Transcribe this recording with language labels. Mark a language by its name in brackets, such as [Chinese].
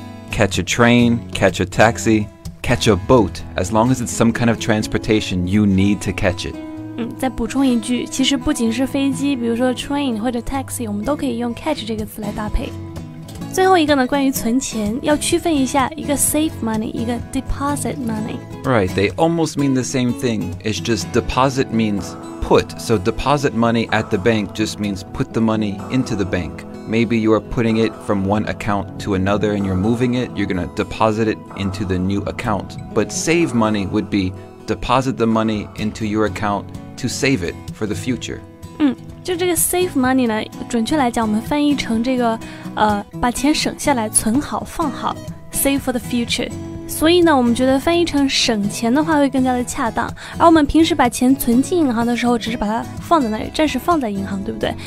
[English] Catch a train, catch a taxi, catch a boat. As long as it's some kind of transportation, you need to catch it. [Chinese] 再补充一句，其实不仅是飞机，比如说 train 或者 taxi, 我们都可以用 catch 这个词来搭配。最后一个呢，关于存钱，要区分一下一个 save money， 一个 deposit money。 [English] Right, they almost mean the same thing. It's just deposit means put. So deposit money at the bank just means put the money into the bank. Maybe you are putting it from one account to another and you're moving it. You're going to deposit it into the new account. But save money would be deposit the money into your account to save it for the future. [Chinese] 就这个 save money 呢，准确来讲，我们翻译成这个，把钱省下来，存好，放好 ， [English] save for the future。 [Chinese] 所以呢，我们觉得翻译成省钱的话会更加的恰当。而我们平时把钱存进银行的时候，只是把它放在那里，暂时放在银行，对不对？